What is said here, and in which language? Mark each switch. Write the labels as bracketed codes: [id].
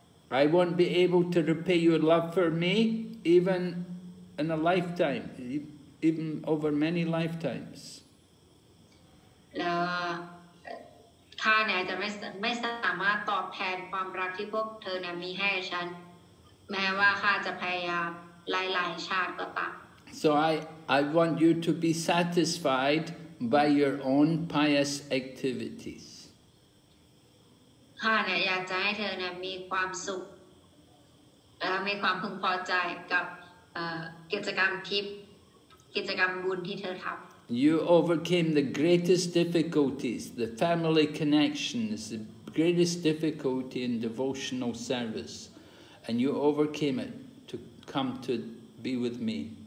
[en] I won't be able to repay your love for me even in a lifetime, even over many lifetimes. [th] แล้วข้าเนี่ยจะไม่สามารถตอบแทนความรักที่พวกเธอเนี่ยมีให้ฉันแม้ว่าข้าจะพยายามหลายๆชาติก็ตาม [en] So I want you to be satisfied by your own pious activities [th] ข้าเนี่ยอยากจะให้เธอเนี่ยมีความสุขและมีความพึงพอใจกับกิจกรรมทิพย์กิจกรรมบุญที่เธอทำ [en] You overcame the greatest difficulties, the family connections, the greatest difficulty in devotional service, and you overcame it to come to be with me.